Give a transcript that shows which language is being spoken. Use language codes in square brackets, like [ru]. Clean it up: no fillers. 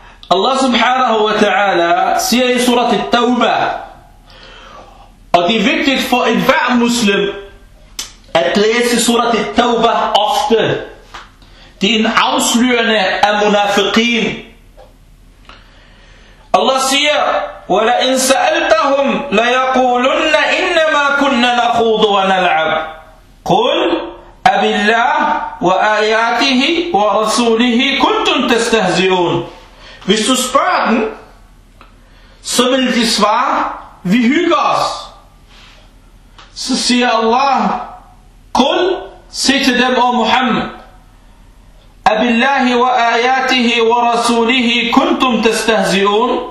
[da] Allah subhanahu wa ta'ala siger i surat At-Tawbah, og det er vigtigt for enhver muslim at læse surat At-Tawbah ofte. Det er en afslørende af munafiqin. [ar] Allah siger, وَلَئِن سَأَلْتَهُمْ لَيَقُولُنَّ إِنَّمَا كُنَّ نَخُوضُ وَنَلْعَبُ قُلْ أَبِاللَّهِ وَآيَاتِهِ وَرَسُولِهِ كُنْتُمْ تَسْتَهْزِئُونَ. [da] Hvis du spørger dem, så vil de svare, vi hygger os. Så siger Allah, [ar] قُلْ سِي [da] til dem, O Muhammed, [ar] أَبِاللَّهِ وَآيَاتِهِ وَرَسُولِهِ كُنْتُمْ تَسْتَهْزِئُونَ.